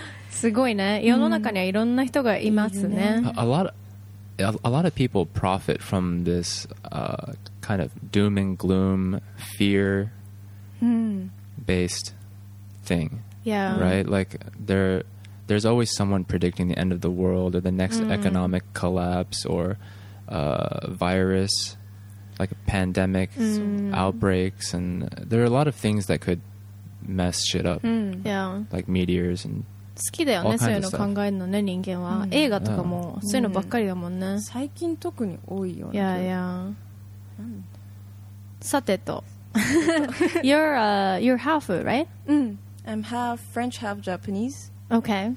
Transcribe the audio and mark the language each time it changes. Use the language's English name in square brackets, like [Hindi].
[Japanese] すごいね、世の中にはいろんな人がいますね。 [English] A lot of people profit from this kind of doom and gloom, fear based thing. Yeah. Right? Like there's always someone predicting the end of the world or the next economic collapse orvirus, like a pandemic, outbreaks, and there are a lot of things that could mess shit up. Yeah. Like meteors and all kinds of stuff. [Japanese] 好きだよね、そういうの考えるのね、人間は。映画とかもそういうのばっかりだもんね。最近特に多いよね。 [English] Yeah, yeah. [Japanese] さてと。 [English] you're half, right? I'm half French, half Japanese. Okay.